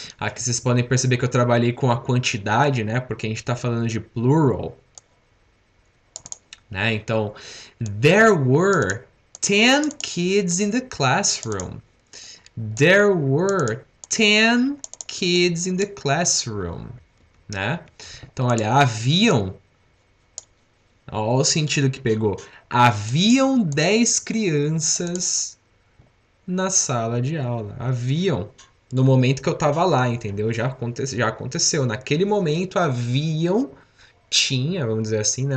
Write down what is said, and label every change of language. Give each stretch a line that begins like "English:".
Portuguese: Aqui vocês podem perceber que eu trabalhei com a quantidade, né? Porque a gente está falando de plural. Né? Então,
English: there were 10 kids in the classroom. There were 10 kids in the classroom.
Portuguese: Né? Então, olha, haviam. Olha o sentido que pegou. Haviam 10 crianças na sala de aula. Haviam. No momento que eu tava lá, entendeu? Já aconteceu. Naquele momento haviam, tinha, vamos dizer assim, né?